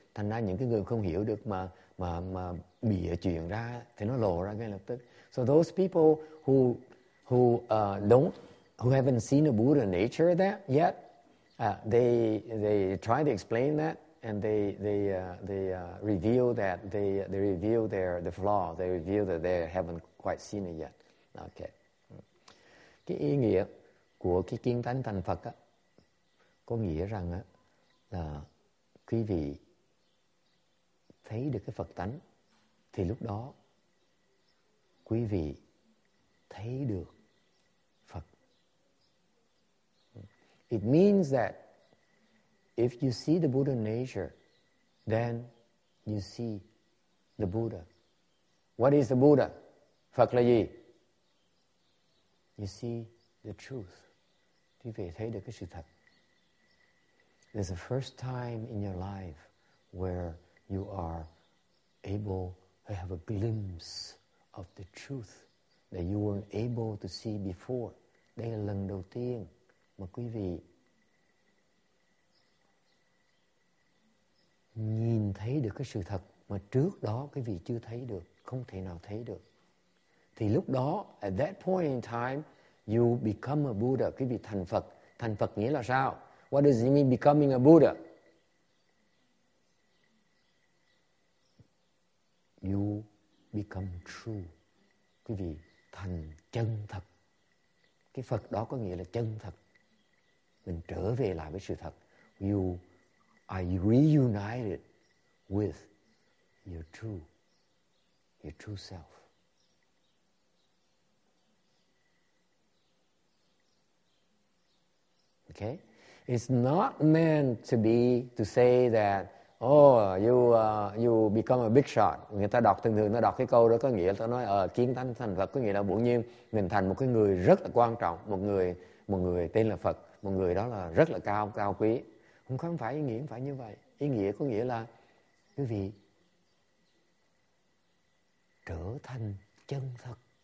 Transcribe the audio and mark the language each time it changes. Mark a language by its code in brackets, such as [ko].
[vi] Thành ra những cái người không hiểu được mà bịa chuyện ra thì nó lộ ra ngay lập tức. [en] So those people who haven't seen a Buddha nature that yet, they try to explain that, and they reveal that they haven't quite seen it yet. Okay. [vi] Cái ý nghĩa của cái kiến tánh thành Phật á, có nghĩa rằng á là quý vị thấy được cái Phật tánh, thì lúc đó quý vị thấy được Phật. [en] It means that if you see the Buddha nature, then you see the Buddha. What is the Buddha? [vi] Phật là gì? [en] You see the truth. [vi] Quý vị thấy được cái sự thật. [en] There's a first time in your life where you are able to have a glimpse of the truth that you weren't able to see before. [vi] Đây là lần đầu tiên mà quý vị nhìn thấy được cái sự thật mà trước đó quý vị chưa thấy được, không thể nào thấy được. Thì lúc đó, [en] at that point in time, you become a Buddha, [vi] quý vị thành Phật. Thành Phật nghĩa là sao? [en] What does it mean becoming a Buddha? You become true. [vi] Quý vị thành chân thật. Cái Phật đó có nghĩa là chân thật. Mình trở về lại với sự thật. [en] You are reunited with your true self. Okay? It's not meant to be to say that, oh, you become a big shot. [vi] Người ta đọc thường thường, nó đọc cái câu đó có nghĩa là nói kiến tánh thành Phật, có nghĩa là bỗng nhiên mình thành một cái người rất là quan trọng, một người tên là Phật, một người đó là rất là cao quý. Không phải ý nghĩa, không phải như vậy. Ý nghĩa có nghĩa là quý vị trở thành chân thật.